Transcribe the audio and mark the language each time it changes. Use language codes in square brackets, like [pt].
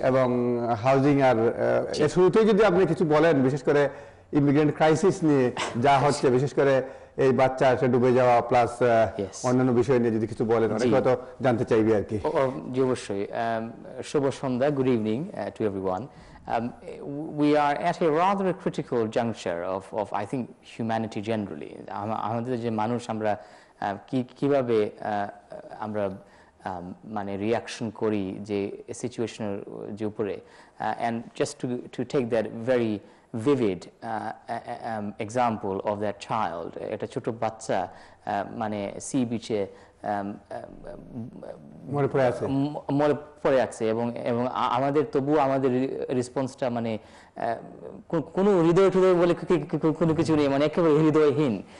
[bn] এবং হাউজিং আর শুরুতেই যদি আপনি কিছু বলেন, বিশেষ করে ইমিগ্রেন্ট ক্রাইসিস নিয়ে যা হচ্ছে, বিশেষ করে এই বাচ্চা আছে ডুবে যাওয়া প্লাস অন্যান্য বিষয় নিয়ে যদি কিছু বলেন, অনেক কথা জানতে চাইবি আর কি। জি অবশ্যই, শুভ সন্ধ্যা, [en] Good evening to everyone. We are at a rather critical juncture of I think humanity generally. [bn] আমাদের যে মানুষ আমরা কিভাবে আমরা মানে রিয়াকশন করি যে সিচুয়েশনের যে উপরে, [en] and just to take that very vivid example of that child, [bn] একটা ছোট বাচ্চা মানে সি বিচে মরে পড়ে আছে এবং আমাদের তবু আমাদের রেসপন্সটা মানে কোনো হৃদয় টৃদয় বলে কোনো কিছু নেই, মানে একেবারে হৃদয়হীন।